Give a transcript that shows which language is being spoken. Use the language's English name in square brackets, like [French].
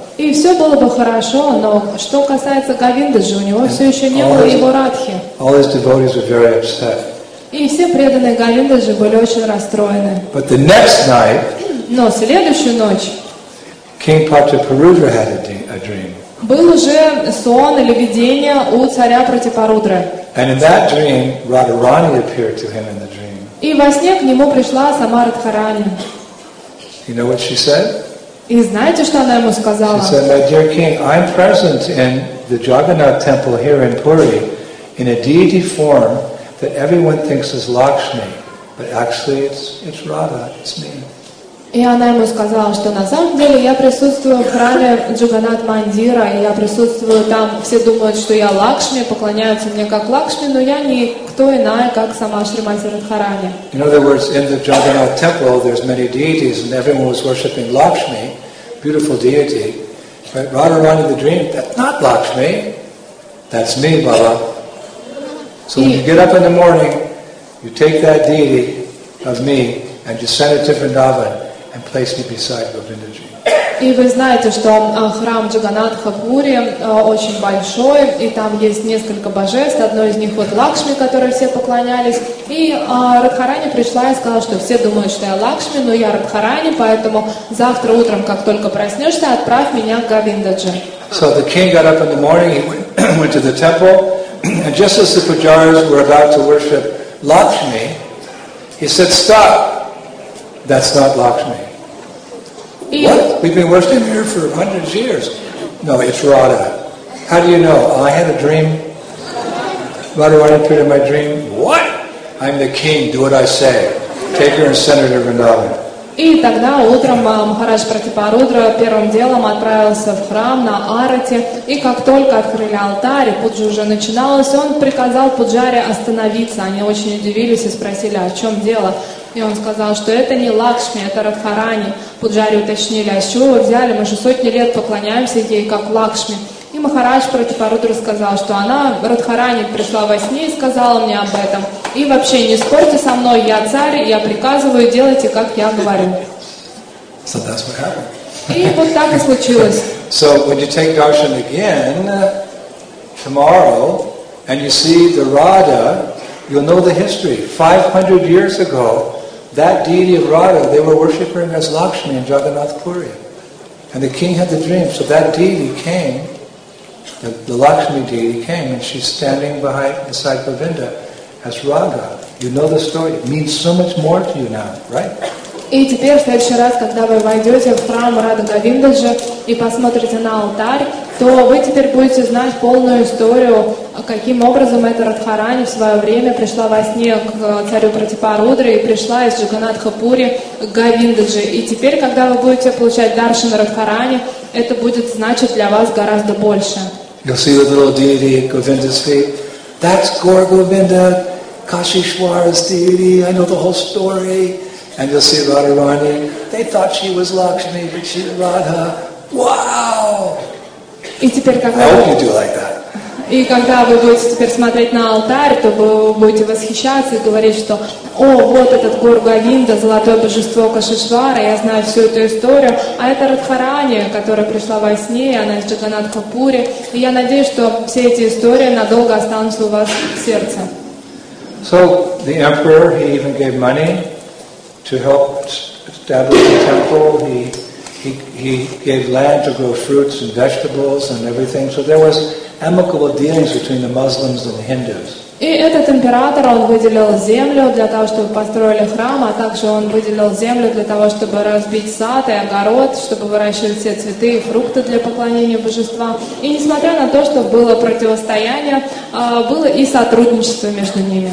[Russian] И все было бы хорошо, но что касается Говиндаджи, у него все еще не было его Радхи. [English] All his devotees were very upset. [Russian] И все преданные Говиндаджи были очень расстроены. [English] But the next night, [Russian] но следующую ночь [English] King Pratiparudra had a dream. [Russian] Был уже сон или видение у царя Пратипарудры. [English] And in that dream, Radharani appeared to him in the dream. [Russian] И во сне к нему пришла сама Радхарани. [English] You know what she said? [Russian] И знаете, что она ему сказала? [English] She said, "My dear King, I'm present in the Jagannath temple here in Puri in a deity form that everyone thinks is Lakshmi, but actually it's Radha, it's me." [Russian] И она ему сказала, что на самом деле я присутствую в храме Джаганнат Мандира, и я присутствую там, все думают, что я Лакшми, поклоняются мне как Лакшми, но я не кто иная, как сама Шримати Радхарани. [English] In other words, in the Jagannath temple there's many deities and everyone was worshipping Lakshmi, beautiful deity. But Radharani the dream, that's not Lakshmi, that's me, Baba. So when you get up in the morning, you take that deity of me and you send it to Vrindavan. And place me beside Govindaji. [Russian] И вы знаете, что храм Джаганнатха в Пури очень большой, и там есть несколько божеств. Одно из них вот Лакшми, которой все поклонялись. И Радхарани пришла и сказала, что все думают, что я Лакшми, но я Радхарани, поэтому завтра утром, как только проснешься, отправь меня к Говиндаджи. [English] So the king got up in the morning, he went to the temple, and just as the pujaris were about to worship Lakshmi, he said, "Stop! That's not Lakshmi." What? We've been worshiping here for hundreds of years. No, it's Radha. How do you know? I had a dream. Radharani appeared in my dream. What? I'm the king. Do what I say. Take her and send her to Vrindavan. [Russian] И тогда утром Махарадж Пратипарудра первым делом отправился в храм на арати, и как только открыли алтарь, пуджа уже начиналась, он приказал пуджаре остановиться. Они очень удивились и спросили, о чем дело. И он сказал, что это не Лакшми, это Радхарани. Пуджари уточнили, а с чего вы взяли? Мы же сотни лет поклоняемся ей, как Лакшми. И Махарадж Пратипарудра сказал, что она, Радхарани, пришла во сне и сказала мне об этом. И вообще, не спорьте со мной, я царь, я приказываю, делайте, как я говорю. [English] So that's what happened. [Russian] И вот так и случилось. [English] So when you take darshan again tomorrow, and you see the Radha, you'll know the history. 500 years ago, that deity of Radha, they were worshipping as Lakshmi in Jagannath Puri. And the king had the dream, so that deity came, the Lakshmi deity came, and she's standing beside Govinda as Radha. You know the story. It means so much more to you now, right? [Russian] И теперь, в следующий раз, когда вы войдете в храм Радха Говиндаджи и посмотрите на алтарь, то вы теперь будете знать полную историю, каким образом эта Радхарани в свое время пришла во сне к царю Пратипарудре и пришла из Джаганнатха Пури к Говиндаджи. И теперь, когда вы будете получать даршан Радхарани, это будет значить для вас гораздо больше. [English] You'll see the little deity at Govinda's feet. That's Gaur Govinda, Kashishwara's deity. I know the whole story. And you'll see Radharani. They thought she was Lakshmi, but she's Radha. Wow! [Russian] И теперь, когда [English] I hope you do like that. [Russian] И когда вы будете теперь смотреть на алтарь, то вы будете восхищаться и говорить, что «О, вот этот Гур Говинда, золотое божество Кашишвара, я знаю всю эту историю, а это Радхарани, которая пришла во сне, и она из Джаганатхапури, и я надеюсь, что все эти истории надолго останутся у вас в сердце». [English] So, the emperor, he even gave money to help establish the temple. He gave land to grow fruits and vegetables and everything. So there was amicable dealings between the Muslims and the Hindus. [Russian] И этот император, он выделил землю для того, чтобы построили храм, а также он выделил землю для того, чтобы разбить сад и огород, чтобы выращивать все цветы и фрукты для поклонения божества. И несмотря на то, что было противостояние, было и сотрудничество между ними.